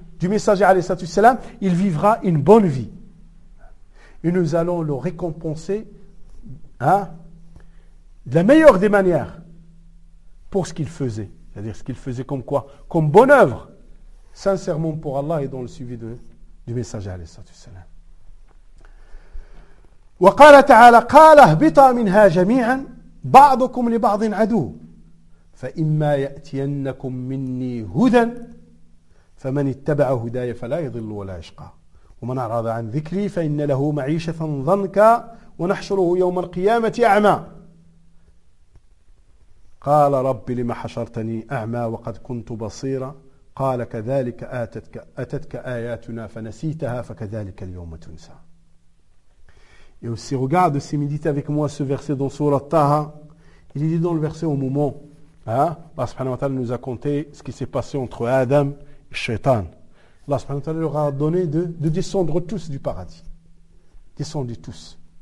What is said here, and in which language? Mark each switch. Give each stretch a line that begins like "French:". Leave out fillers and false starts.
French: du messager alayhi salatu wassalam, il vivra une bonne vie. Et nous allons le récompenser de la meilleure des manières pour ce qu'il faisait. C'est-à-dire ce qu'il faisait comme quoi? Comme bonne œuvre, sincèrement pour Allah et dans le suivi du messager alayhi salatu wassalam.
Arabic: Wa qala ta'ala qala ihbita minha jami'an ba'dukum li ba'din adu fa imma ya'tiyannakum minni hudan فمن اتبع هداي فلا يضل ولا يشقى ومن اعرض عن ذكري فان له معيشه ضنكا ونحشره يوم القيامه اعمى قال رب لم حشرتني اعمى وقد كنت بصيرا قال كذلك اتتك اياتنا فنسيتها فكذلك اليوم تنسى.
French: Et aussi, regarde, si médite avec moi ce verset dans sourate Taha, il dit dans le verset au moment, Allah subhanahu wa ta'ala nous a conté ce qui s'est passé entre Adam Shaitan. Allah subhanahu wa ta'ala leur a donné de descendre tous du paradis. Descendez tous.